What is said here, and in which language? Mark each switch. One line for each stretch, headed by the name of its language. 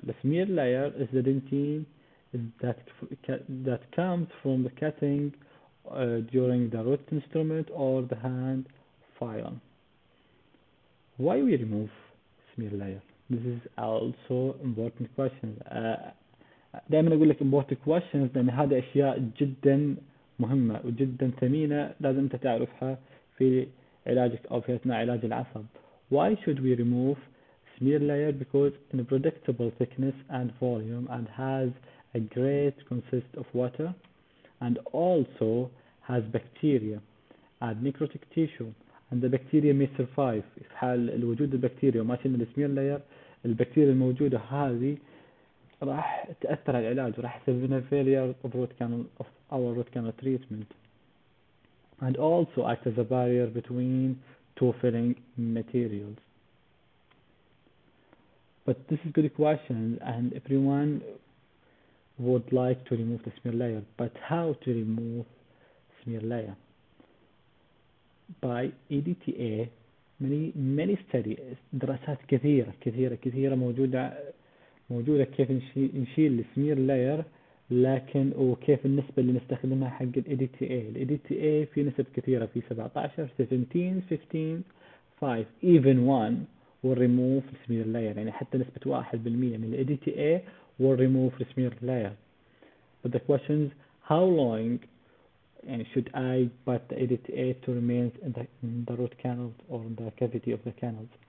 English: The smear layer is the dentine that comes from the cutting during the root instrument or the hand file. Why we remove smear layer? This is also important question.
Arabic: دائما اقول لك important questions لان هذه اشياء جدا مهمه وجدا ثمينه لازم انت تعرفها في علاجك او في اثناء علاج العصب.
English: Why should we remove smear layer? Because in predictable thickness and volume and has a great consist of water and also has bacteria and necrotic tissue and the bacteria may survive. If حال الوجود البكتيريا وما شلنا السمير layer البكتيريا الموجودة هذه راح تأثر على العلاج وراح يسبب لنا failure of root canal of our root canal treatment and also act as a barrier between two filling materials. But this is a good question and everyone would like to remove the smear layer. But how to remove smear layer?
Arabic: By EDTA, many studies, دراسات كثيرة موجودة كيف نشيل السمير layer, لكن وكيف النسبة اللي نستخدمها حق الـ EDTA. الـ EDTA في نسب كثيرة في 17, 17, 15, 5, even 1 will remove the smear layer. يعني حتى نسبة 1% من الـ EDTA will remove the smear layer.
English: But the question is, how long and should I put the EDTA to remain in the root canal or in the cavity of the canal?